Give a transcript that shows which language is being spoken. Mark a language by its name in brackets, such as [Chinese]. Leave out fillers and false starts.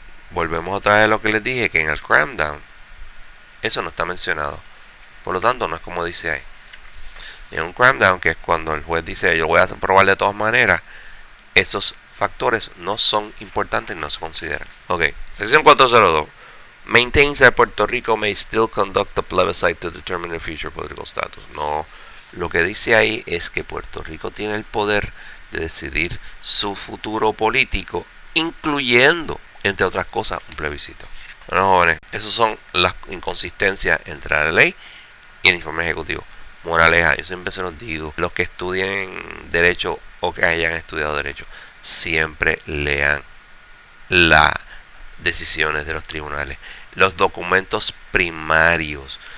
[Spanish] Volvemos otra vez a lo que les dije, que en el cramdown, eso no está mencionado. Por lo tanto, no es como dice ahí. En un cramdown, que es cuando el juez dice, yo voy a aprobar de todas maneras, esos factores no son importantes, no se consideran. Ok, sección 402. [English] Maintains that Puerto Rico may still conduct a plebiscite to determine the future political status. [Spanish] No, lo que dice ahí es que Puerto Rico tiene el poder de decidir su futuro político, incluyendo, entre otras cosas, un plebiscito. Bueno, jóvenes, esas son las inconsistencias entre la ley y el informe ejecutivo. Moraleja, yo siempre se los digo, los que estudien derecho o que hayan estudiado derecho, siempre lean las decisiones de los tribunales, los documentos primarios.